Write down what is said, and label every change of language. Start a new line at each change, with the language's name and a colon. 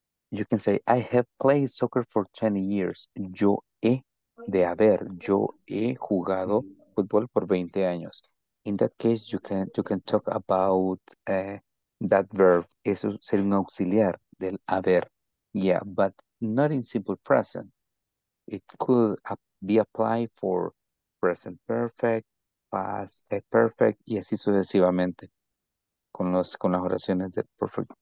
English: You can say, I have played soccer for 20 years.
Spanish: Yo he, de haber, yo he jugado fútbol por 20 años.
English: In that case, you can talk about that verb.
Spanish: Eso sería un auxiliar del haber.
English: Yeah, but not in simple present. It could be applied for present perfect, past perfect,
Spanish: y así sucesivamente con las oraciones del
English: perfect.